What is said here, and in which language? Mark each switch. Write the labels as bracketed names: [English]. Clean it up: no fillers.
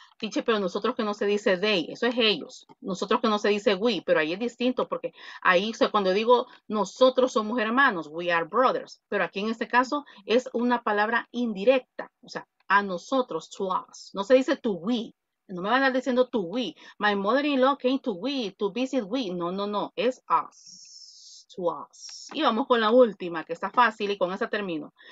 [Spanish] Dice, pero nosotros que no se dice they, eso es ellos. Nosotros que no se dice we, pero ahí es distinto porque ahí, o sea, cuando digo nosotros somos hermanos, we are brothers, pero aquí en este caso es una palabra indirecta, o sea, a nosotros, to us. No se dice to we. No me van a estar diciendo to we. [English] My mother-in-law came to we, to visit we. [Spanish] No, no, no, es us, to us. Y vamos con la última, que está fácil y con esa termino.